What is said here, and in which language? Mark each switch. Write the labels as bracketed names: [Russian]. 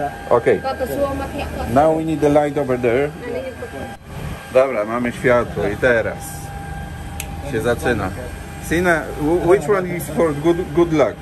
[English] Okay. Now we need the light over there. [Polish] Dobra, mamy światło i teraz się zaczyna. [English] Sina, which one is for good luck?